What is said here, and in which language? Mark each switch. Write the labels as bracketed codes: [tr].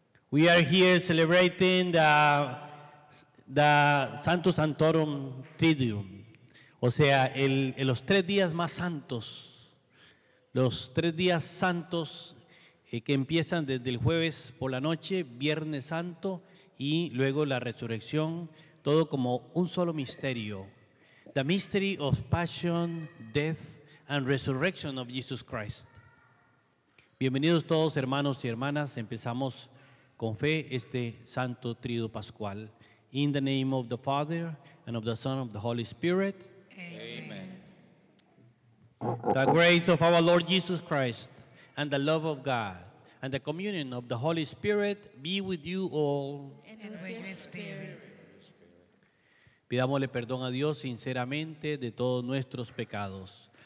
[en] We are here celebrating the Santo Santorum Triduum, [es] o sea, los tres días más santos, los tres días santos que empiezan desde el jueves por la noche, Viernes Santo y luego la resurrección, todo como un solo misterio. [en] The mystery of passion, death and resurrection of Jesus Christ. [es] Bienvenidos todos hermanos y hermanas, empezamos con fe este Santo Triduo Pascual. [en] In the name of the Father, and of the Son, and of the Holy Spirit. Amen. The grace of our Lord Jesus Christ, and the love of God, and the communion of the Holy Spirit be with you all. And with your spirit. [es] Pidámosle perdón a Dios sinceramente de todos nuestros pecados.